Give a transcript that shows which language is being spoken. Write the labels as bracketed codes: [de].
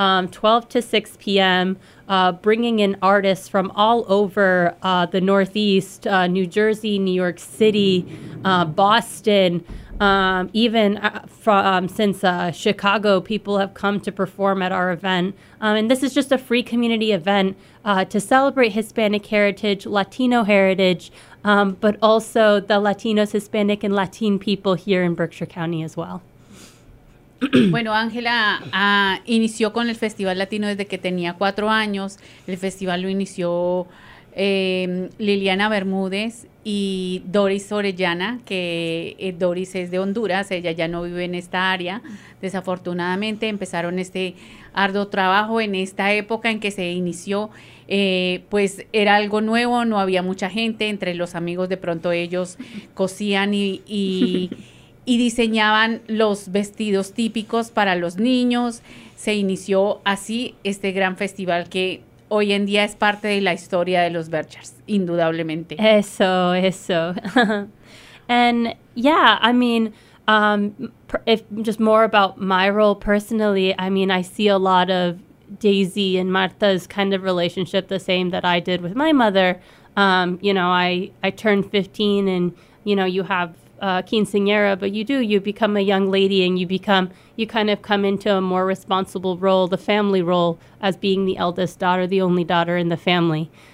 [en] 12 to 6 p.m., bringing in artists from all over the Northeast, New Jersey, New York City, Boston, even since Chicago, people have come to perform at our event. And this is just a free community event to celebrate Hispanic heritage, Latino heritage, but also the Latinos, Hispanic, and Latin people here in Berkshire County as well. [es] Bueno, Ángela inició con el Festival Latino desde que tenía 4 años. El festival lo inició Liliana Bermúdez y Doris Orellana, que Doris es de Honduras, ella ya no vive en esta área. Desafortunadamente empezaron este arduo trabajo en esta época en que se inició, pues era algo nuevo, no había mucha gente, entre los amigos de pronto ellos cosían y diseñaban los vestidos típicos para los niños. Se inició así este gran festival que hoy en día es parte de la historia de los Berkshires, indudablemente. Eso, eso. [en] And yeah, I mean, if just more about my role personally, I mean, I see a lot of Daisy and Martha's kind of relationship the same that I did with my mother. You know, I turned 15 and, you know, you have quinceañera, but you become a young lady and you kind of come into a more responsible role, the family role, as being the eldest daughter, the only daughter in the family.